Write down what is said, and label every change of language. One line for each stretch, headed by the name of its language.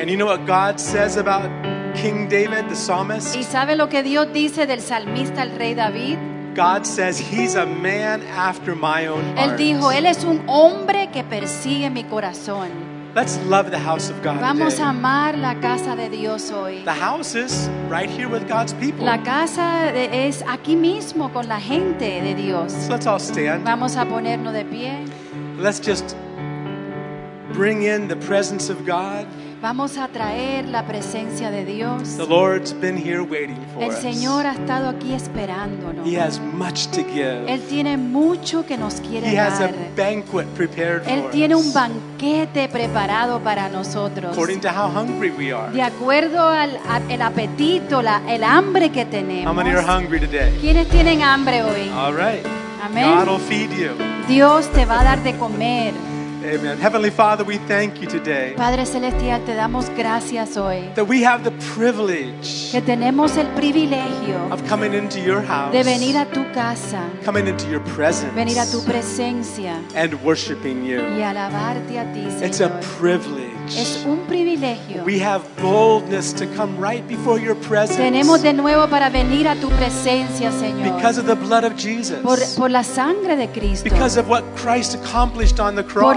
English: And you know what God says about King David, the psalmist?
Spanish: ¿Y sabe lo que Dios dice del salmista, el rey David?
English: God says he's a man after my own heart.
Spanish: Él dijo, él es un hombre que persigue mi corazón.
English: Let's love the house of God.
Spanish: Vamos
English: today.
Spanish: A amar la casa de Dios hoy.
English: The house is right here with God's people.
Spanish: La casa es aquí mismo con la gente de Dios.
English: So let's all stand.
Spanish: Vamos a ponernos de pie.
English: Let's just bring in the presence of God.
Spanish: Vamos a traer la presencia de Dios.
English: The Lord's been here waiting for us.
Spanish: El Señor ha estado aquí esperándonos.
English: He has much to give.
Spanish: Él tiene mucho que nos quiere dar.
English: He has a banquet prepared for us.
Spanish: Él tiene un banquete preparado para nosotros.
English: According to how hungry we are.
Spanish: De acuerdo al apetito, el hambre que tenemos.
English: How many are hungry today?
Spanish: ¿Quiénes tienen hambre hoy?
English: All right.
Spanish: Amén.
English: God will feed you.
Spanish: Dios te va a dar de comer.
English: Amen. Heavenly Father, we thank you today.
Spanish: Padre celestial, te damos gracias hoy.
English: That we have the privilege.
Spanish: Que tenemos el privilegio.
English: Of coming into your house.
Spanish: De venir a tu casa.
English: Coming into your presence.
Spanish: Venir a tu presencia.
English: And worshiping you.
Spanish: Y alabarte a ti, Señor.
English: It's a privilege.
Spanish: Es un privilegio.
English: We have boldness to come right before your presence.
Spanish: Tenemos de nuevo para venir a tu presencia, Señor.
English: Because of the blood of Jesus.
Spanish: Por la sangre de Cristo.
English: Because of what Christ accomplished on the cross.